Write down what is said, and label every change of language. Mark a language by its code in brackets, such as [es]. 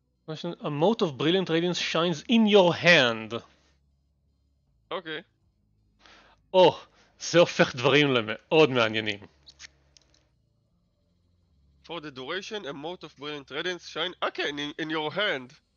[en] A mote of brilliant radiance shines in your hand. [he] אוקיי. או, זה הופך דברים למאוד מעניינים. [en] For the duration, a mote of brilliant radiance shines in your hand.